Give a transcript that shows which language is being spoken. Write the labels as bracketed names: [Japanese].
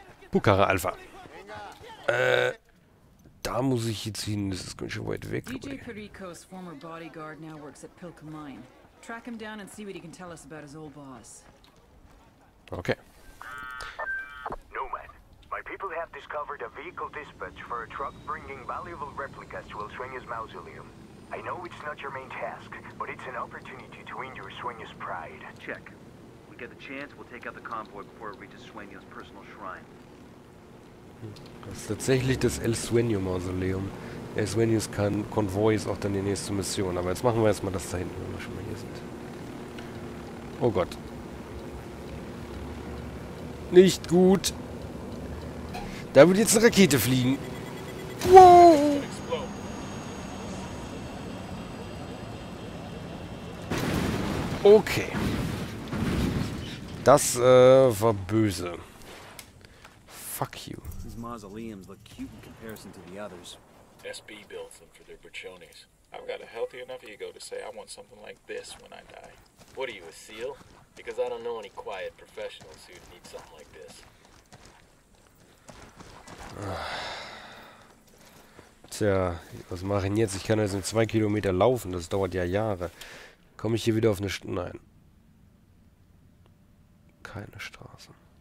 [German] Pucara Alpha. Da muss ich jetzt hin, das ist ganz schön weit weg. [English] DJ Perico's former bodyguard now works at Pilka Mine. Track him down and see what he can tell us about his old boss. Okay. Newman, my people have discovered a vehicle dispatch for a truck bringing valuable replicas to El Sueño's mausoleum. I know it's not your main task, but it's an opportunity to injure Sueño's pride. Check. We get the chance, we'll take out the convoy before it reaches Sueño's personal shrine. [German] Das ist tatsächlich das El Sueño Mausoleum. El Sueños Konvoi ist auch dann die nächste Mission. Aber jetzt machen wir erstmal das da hinten, wenn wir schon mal hier sind. Oh Gott. Nicht gut. Da wird jetzt eine Rakete fliegen. Wow. Okay. Das war böse. [English] Fuck you. Mausoleums look cute in comparison to the others. SB builds them for their Brachionis. I've got a healthy enough ego to say I want something like this when I die. What are you, a SEAL? Because I don't know any quiet professionals who'd need something like this. [German] Tja, was mache ich jetzt? Ich kann jetzt nur 2 Kilometer laufen, das dauert ja Jahre. Komme ich hier wieder auf eine Straße? Nein. Keine Straßen.